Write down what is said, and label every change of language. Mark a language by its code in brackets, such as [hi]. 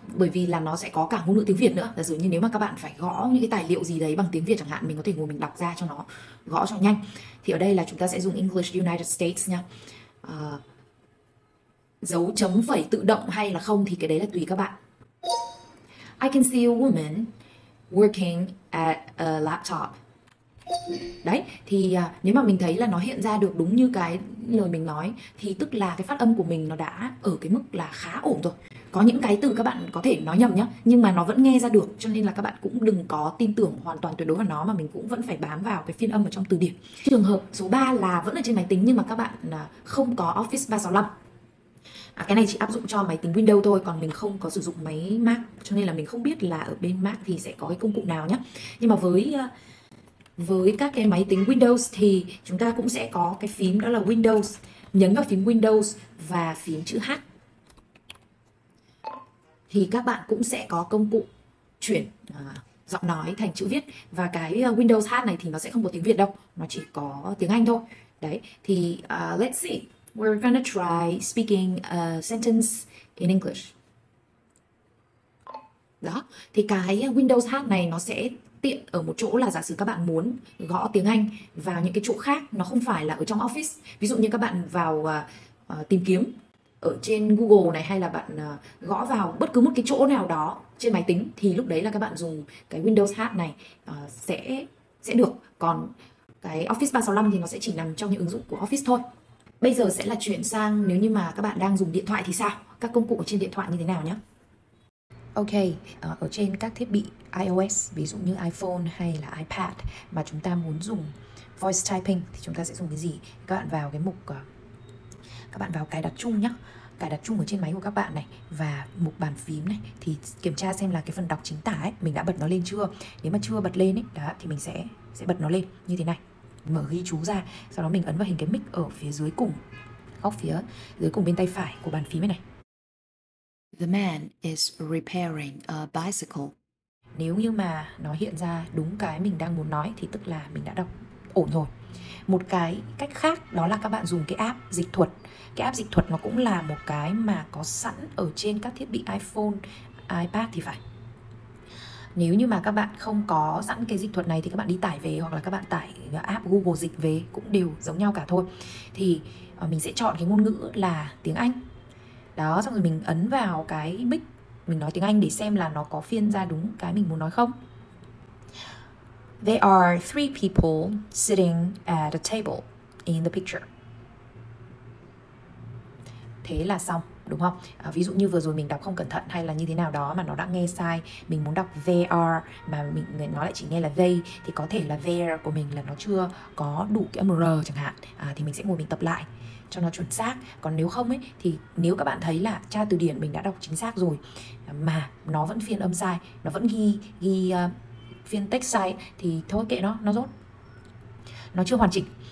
[vi] Bởi vì là nó sẽ có cả ngôn ngữ tiếng Việt nữa. Giả sử như nếu mà các bạn phải gõ những cái tài liệu gì đấy bằng tiếng Việt chẳng hạn, mình có thể ngồi mình đọc ra cho nó, gõ cho nhanh. Thì ở đây là chúng ta sẽ dùng English United States nha. Dấu chấm phẩy tự động hay là không thì cái đấy là tùy các bạn. [en] I can see a woman working at a laptop. [vi] Đấy, thì nếu mà mình thấy là nó hiện ra được đúng như cái lời mình nói thì tức là cái phát âm của mình nó đã ở cái mức là khá ổn rồi. Có những cái từ các bạn có thể nói nhầm nhá, nhưng mà nó vẫn nghe ra được, cho nên là các bạn cũng đừng có tin tưởng hoàn toàn tuyệt đối vào nó, mà mình cũng vẫn phải bám vào cái phiên âm ở trong từ điển. Trường hợp số 3 là vẫn ở trên máy tính nhưng mà các bạn không có Office 365. Cái này chỉ áp dụng cho máy tính Windows thôi, còn mình không có sử dụng máy Mac, cho nên là mình không biết là ở bên Mac thì sẽ có cái công cụ nào nhá. Nhưng mà với các cái máy tính Windows thì chúng ta cũng sẽ có cái phím đó là Windows, nhấn vào phím Windows và phím chữ H thì các bạn cũng sẽ có công cụ chuyển giọng nói thành chữ viết. Và cái Windows H này thì nó sẽ không có tiếng Việt đâu, nó chỉ có tiếng Anh thôi. [en] Đấy, thì let's see, we're gonna try speaking a sentence in English. [vi] Đó, thì cái Windows H này nó sẽ tiện ở một chỗ là giả sử các bạn muốn gõ tiếng Anh vào những cái chỗ khác, nó không phải là ở trong Office. Ví dụ như các bạn vào tìm kiếm ở trên Google này, hay là bạn gõ vào bất cứ một cái chỗ nào đó trên máy tính, thì lúc đấy là các bạn dùng cái Windows H này sẽ được. Còn cái Office 365 thì nó sẽ chỉ nằm trong những ứng dụng của Office thôi. Bây giờ sẽ là chuyển sang nếu như mà các bạn đang dùng điện thoại thì sao, các công cụ ở trên điện thoại như thế nào nhé. Ok, ở trên các thiết bị iOS, ví dụ như iPhone hay là iPad, mà chúng ta muốn dùng voice typing thì chúng ta sẽ dùng cái gì? Các bạn vào cái mục, các bạn vào cài đặt chung nhé. Cài đặt chung ở trên máy của các bạn này, và mục bàn phím này, thì kiểm tra xem là cái phần đọc chính tả ấy, mình đã bật nó lên chưa. Nếu mà chưa bật lên ấy, đó, thì mình sẽ bật nó lên như thế này. mở ghi chú ra, sau đó mình ấn vào hình cái mic ở phía dưới cùng, góc phía dưới cùng bên tay phải của bàn phím này. [en] The man is repairing a bicycle. [vi] Nếu như mà nó hiện ra đúng cái mình đang muốn nói thì tức là mình đã đọc ổn rồi. Một cái cách khác đó là các bạn dùng cái app dịch thuật. Cái app dịch thuật nó cũng là một cái mà có sẵn ở trên các thiết bị iPhone, iPad thì phải. Nếu như mà các bạn không có sẵn cái dịch thuật này thì các bạn đi tải về, hoặc là các bạn tải app Google dịch về cũng đều giống nhau cả thôi. Thì mình sẽ chọn cái ngôn ngữ là tiếng Anh. Đó, xong rồi mình ấn vào cái mic mình nói tiếng Anh để xem là nó có phiên ra đúng cái mình muốn nói không. [en] There are three people sitting at a table in the picture. [vi] Thế là xong, đúng không? À, ví dụ như vừa rồi mình đọc không cẩn thận hay là như thế nào đó mà nó đã nghe sai, mình muốn đọc there are mà nó lại chỉ nghe là they, thì có thể là there của mình là nó chưa có đủ cái âm R chẳng hạn. À, thì mình sẽ ngồi mình tập lại cho nó chuẩn xác. Còn nếu không ấy, thì nếu các bạn thấy là tra từ điển mình đã đọc chính xác rồi mà nó vẫn phiên âm sai, nó vẫn ghi phiên text sai thì thôi kệ nó rốt, nó chưa hoàn chỉnh.